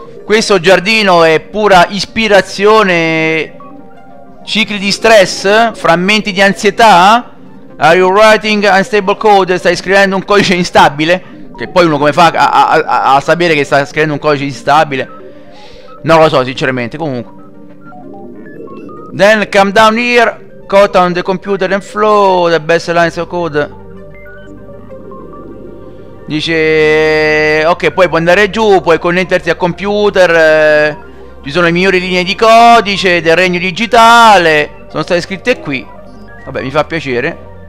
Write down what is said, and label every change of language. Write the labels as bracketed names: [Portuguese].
[Italian] Questo giardino è pura ispirazione. Cicli di stress? Frammenti di ansietà? [English] Are you writing unstable code? [Italian] Stai scrivendo un codice instabile? Che poi uno come fa a sapere che sta scrivendo un codice instabile? Non lo so, sinceramente, comunque. [English] Then come down here, caught on the computer and flow the best lines of code. [Italian] Dice, ok, poi puoi andare giù, puoi connettersi al computer, ci sono le migliori linee di codice del regno digitale, sono state scritte qui. Vabbè, mi fa piacere.